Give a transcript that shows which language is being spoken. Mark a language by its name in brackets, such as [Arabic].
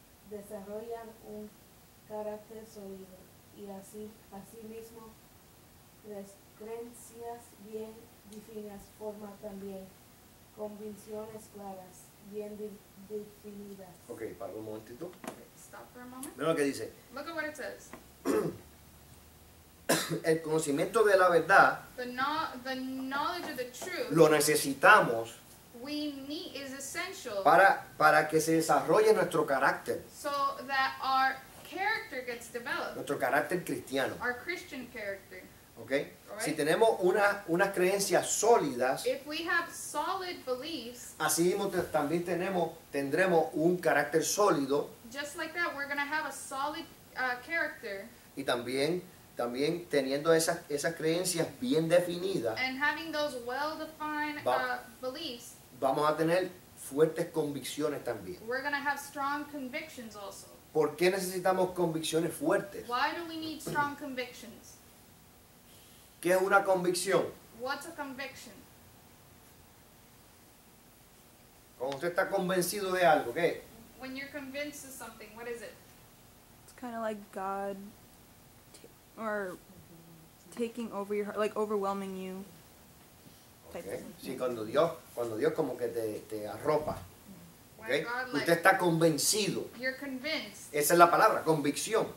[Spanish] desarrollan un carácter sólido y así mismo creencias bien definidas forman también convicciones claras, bien definidas. Ok, para un momentito. [English] Stop for a moment. [Spanish] Mira lo que dice. [English] Look at what it says. [Spanish] El conocimiento de la verdad [English] the knowledge of the truth, [Spanish] lo necesitamos [English] we need, is essential, [Spanish] para que se desarrolle nuestro carácter [English] so that our character gets developed, [Spanish] nuestro carácter cristiano [English] our Christian character. Okay. Right. [Spanish] Si tenemos unas creencias sólidas, [English] if we have solid beliefs, [Spanish] así mismo también tendremos un carácter sólido, [English] just like that we're going to have a solid character, [Spanish] y también teniendo esas creencias bien definidas, [English] and having those well-defined, beliefs, [Spanish] vamos a tener fuertes convicciones también. [English] We're going to have strong convictions also. [Spanish] ¿Por qué necesitamos convicciones fuertes? [English] Why do we need strong convictions? [Spanish] ¿Qué es una convicción? [English] What's a conviction? [Spanish] Cuando usted está convencido de algo, ¿qué? [English] When you're convinced of something, what is it? It's kind of like God or taking over your heart, like overwhelming you. Okay. [Spanish] Sí, cuando Dios como que te arropa. [English] Okay. When God, [Spanish] usted está convencido. [English] You're convinced. [Spanish] Esa es la palabra, convicción.